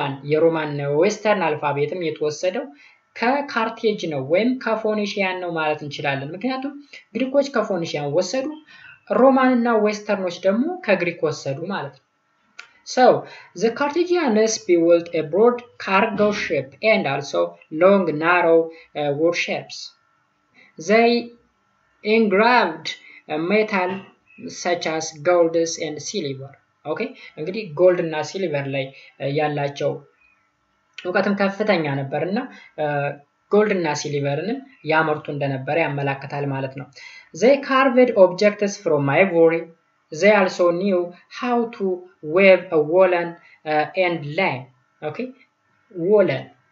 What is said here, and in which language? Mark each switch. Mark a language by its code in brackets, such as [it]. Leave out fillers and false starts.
[am] የሮማን ዌስተርን አልፋቤትም የተወሰደው ከካርቴጅ ነው ወይም ከፎኒሺያን ነው ማለት እንችላለን። ምክንያቱም ግሪኮች ከፎኒሺያን ወሰዱ፣ ሮማን እና ዌስተርኖች ደግሞ ከግሪክ ወሰዱ ማለት ነው። [en] So, the Carthaginians built a broad cargo ship and also long narrow warships. They engraved metal such as gold and silver. Okay? [am] እንግዲህ gold እና silver ላይ ያላቸው ወቀተም ከፍተኛ ነበርና ጎልድ እና ሲሊቨርንም ያመርቱ እንደነበረ ያመለክታል ማለት ነው። [en] ዘይ ካርቭድ ኦብጀክትስ ፍሮም አይቮሪ ዘይ አልሶ ኒው ሃው ቱ ዌቭ አ ወለን ኤንድ ላይን። [am] ኦኬ ወለን